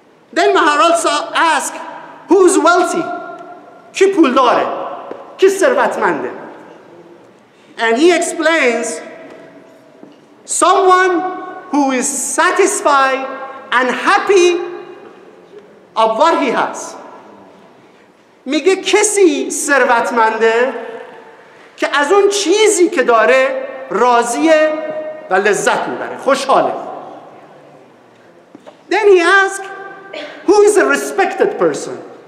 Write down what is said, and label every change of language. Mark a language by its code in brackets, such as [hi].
[en] Then Maharal asks, who's wealthy? [fa] Ki pul dare? Ki servatmande? [en] And he explains, someone who is satisfied and happy of what he has. [fa] میگه کسی ثروتمنده که از اون چیزی که داره راضیه و لذت میبره، خوشحاله. [en] Then he asks, who is a respected person?